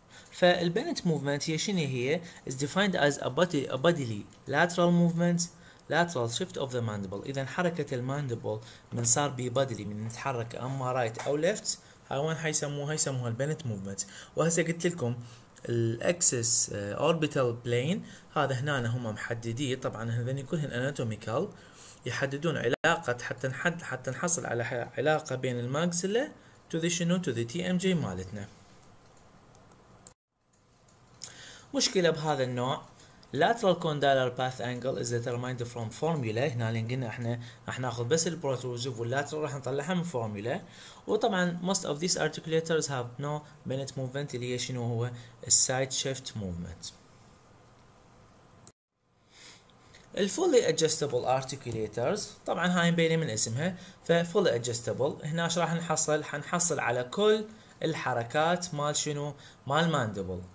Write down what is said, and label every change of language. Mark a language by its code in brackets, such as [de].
[ar] فالبنت موفمنت هي شنو؟ هي [en] is defined as a bodily lateral movement, lateral shift of the mandible. [ar] إذا حركة المانديبل من صار بي بادلي، من نتحرك أما رايت أو ليفت، هاي وين حيسموها؟ يسموها البنت موفمنت. وهسه قلت لكم الاكسس اوربيتال بلين هذا هنا هم محددين طبعا، هذني كلهن اناتوميكال يحددون علاقه حتى نحصل على علاقه بين الماكسيلا تو ذا شنو تو ذا تي ام جي مالتنا. مشكله بهذا النوع [en] lateral condylar path angle is determined from formula. [ar] هنا لنقلنا احنا ناخذ بس البروتروزيف واللاترال راح نطلعها من فورمولا. وطبعا [en] most of these articulators have no bent movement [ar] اللي هي شنو هو السايد شيفت موفمنت. الفولي ادجستبل articulators طبعا هاي مبينه من اسمها ففولي ادجستبل، هنا ايش راح نحصل؟ حنحصل على كل الحركات مال شنو؟ مال ماندبل.